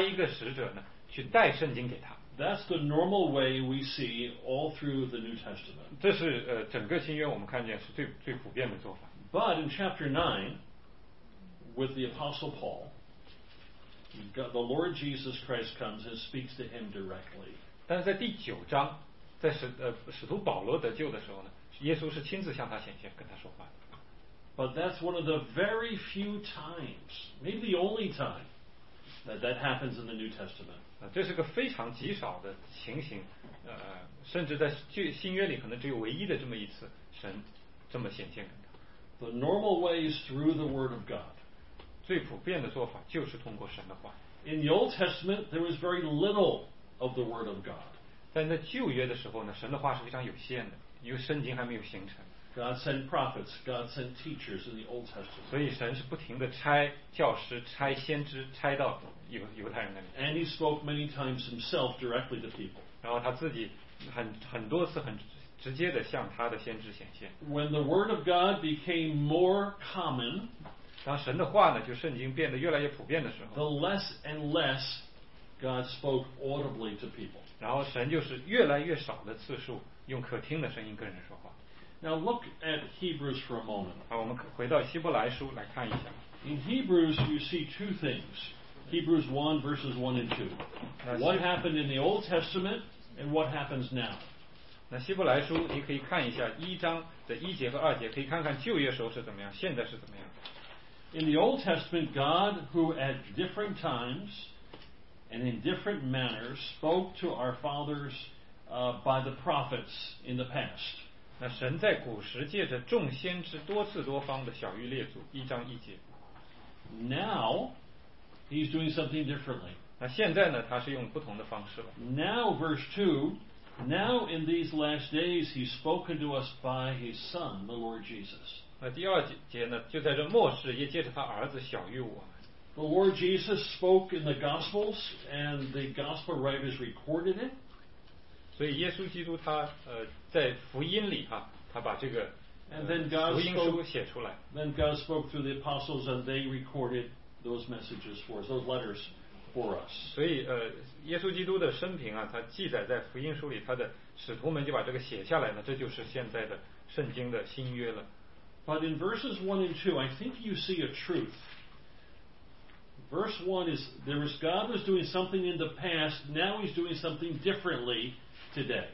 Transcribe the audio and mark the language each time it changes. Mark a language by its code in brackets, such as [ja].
[zh] 所以这个是正常的，或者说我们看见圣经里讲到的做法呢，或者他直接在读圣经，或者差一个使者呢去带圣经给他。 [en] That's the normal way we see all through the New Testament. [zh] 这是整个新约我们看见是最普遍的做法。 [en] But in chapter 9, with the Apostle Paul, the Lord Jesus Christ comes and speaks to him directly. [zh] 但是在第九章，在使徒保罗得救的时候呢，耶稣是亲自向他显现，跟他说话。 [en] But that's one of the very few times, maybe the only time, that happens in the New Testament. [zh] 这是个非常极少的情形，甚至在新约里可能只有唯一的这么一次神这么显现给他。 [en] The normal way is through the Word of God. [zh] 最普遍的做法就是通过神的话。 [en] In the Old Testament, there was very little of the Word of God. [zh] 但在旧约的时候呢，神的话是非常有限的，因为圣经还没有形成。 [en] God sent prophets, God sent teachers in the Old Testament. [zh] 所以神是不停地差教师、差先知、差到犹太人那里。 [en] And he spoke many times himself directly to people. [zh] 然后他自己很多次很直接地向他的先知显现。 [en] When the word of God became more common, [zh] 当神的话呢，就圣经变得越来越普遍的时候， [en] the less and less God spoke audibly to people. [zh] 然后神就是越来越少的次数用可听的声音跟人说话。 [en] Now look at Hebrews for a moment. [zh] 好，我们回到希伯来书来看一下。 [en] In Hebrews, you see two things. Hebrews 1 verses 1 and 2. What happened in the Old Testament and what happens now? [zh] 那希伯来书你可以看一下一章的一节和二节，可以看看旧约时候是怎么样，现在是怎么样。 [en] In the Old Testament, God, who at different times and in different manners spoke to our fathers by the prophets in the past. [zh] 那神在古时借着众先知多次多方的晓谕列祖，一章一节。 [en] Now, he's doing something differently. [zh] 那现在呢，他是用不同的方式了。 [en] Now, verse 2, now in these last days, he's spoken to us by his son, the Lord Jesus. [zh] 那第二节呢，就在这末世也借着他儿子晓谕我。 [en] The Lord Jesus spoke in the Gospels, and the Gospel writers recorded it. [zh] 所以耶稣基督他在福音里哈，他把这个福音书写出来。 [en] Then God spoke through the apostles, and they recorded those messages for us, those letters for us. [zh] 所以耶稣基督的生平啊，他记载在福音书里，他的使徒们就把这个写下来了，这就是现在的圣经的新约了。 [en] But in verses 1 and 2, I think you see a truth. Verse 1 is, there was God was doing something in the past, now he's doing something differently today.